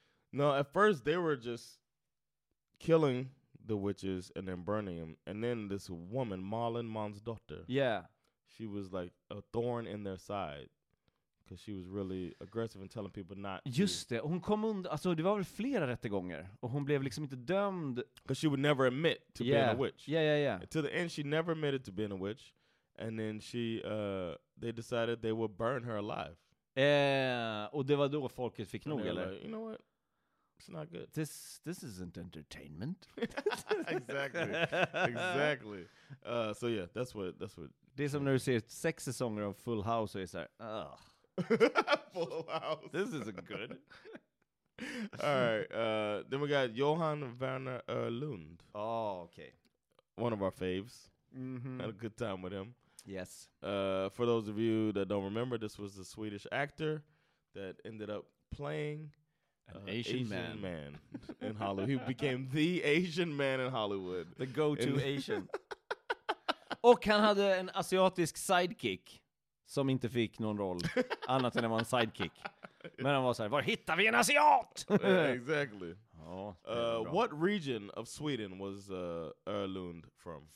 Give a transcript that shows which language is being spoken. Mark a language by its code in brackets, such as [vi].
[en] No, at first they were just killing the witches and then burning them, and then this woman, Malin Mons daughter. Yeah. She was like a thorn in their side because she was really aggressive in telling people not to. [sv] Just det. Hon kom under, alltså det var väl flera rättegångar och hon blev liksom inte dömd [en] because she would never admit to yeah. being a witch. Yeah, yeah, yeah. And to the end she never admitted to being a witch. And then she, they decided they would burn her alive. [sv] Och det var då folket fick nog, eller? [en] You know what? It's not good. This isn't entertainment. Exactly. So yeah, that's what. [sv] Det är som när du ser sex säsonger av Full House och är så här, ugh. [en] Full House. This isn't good. All right. Then we got Johan Werner Erlund. Oh, okay. One of our faves. Mm-hmm. Had a good time with him. Yes. For those of you that don't remember, this was the Swedish actor that ended up playing an Asian man in Hollywood. He became the Asian man in Hollywood. The go-to Asian. [sv] Och han hade en asiatisk sidekick som inte fick någon roll annat än att han var en sidekick. Men han var så här, var hittar vi en asiat? [en] Yeah, exactly. What region of Sweden was Örlund from?